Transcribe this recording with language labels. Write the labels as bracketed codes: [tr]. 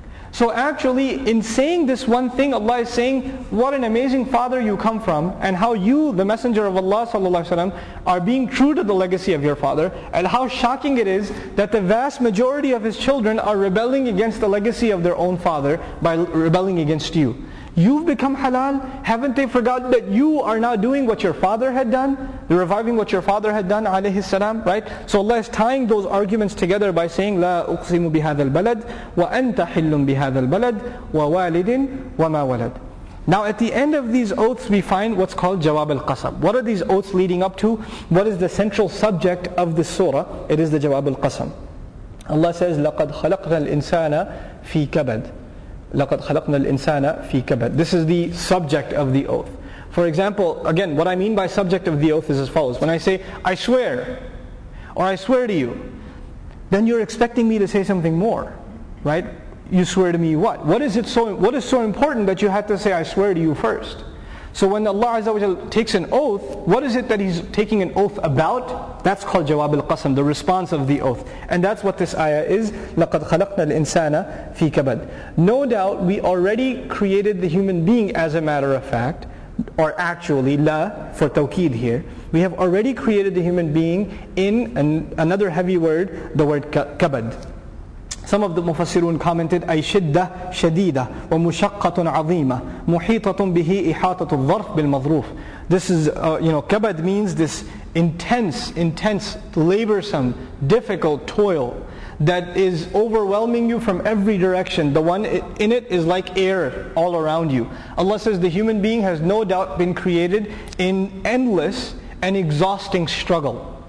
[en] So actually in saying this one thing, Allah is saying, what an amazing father you come from, and how you, the messenger of Allah sallallahu alayhi wa sallam, are being true to the legacy of your father, and how shocking it is that the vast majority of his children are rebelling against the legacy of their own father by rebelling against you. You've become halal, haven't they forgotten that you are now doing what your father had done, reviving what your father had done alayhi salam, right? So Allah is tying those arguments together by saying, [ar] لا أقسم بهذا البلد وأنت حل بهذا البلد ووالد وما ولد. [en] Now at the end of these oaths we find what's called Jawab al-Qasam. What are these oaths leading up to? What is the central subject of this surah? It is the Jawab al-Qasam. Allah says, [ar] لقد خلقنا الإنسان في كبد. لَقَدْ خَلَقْنَا الْإِنسَانَ فِي كَبَدٍ. [en] This is the subject of the oath. For example, again, what I mean by subject of the oath is as follows. When I say, I swear, or I swear to you, then you're expecting me to say something more, right? You swear to me what? What is so important that you have to say, I swear to you first? So when Allah Azza wa Jal takes an oath, what is it that He's taking an oath about? That's called Jawab al-Qasam, the response of the oath. And that's what this ayah is. [ar] لَقَدْ خَلَقْنَا الْإِنسَانَ فِي كَبَدٍ. [en] No doubt, we already created the human being as a matter of fact, or actually, la for tawkeed here. We have already created the human being in another heavy word, the word kabad. Some of the mufassirun commented, [ar] أي شدة شديدة ومشقة عظيمة محيطة به إحاطة الظرف بالمظروف. [en] This is, كبد means this intense, laborsome, difficult toil that is overwhelming you from every direction. The one in it is like air all around you. Allah says the human being has no doubt been created in endless and exhausting struggle.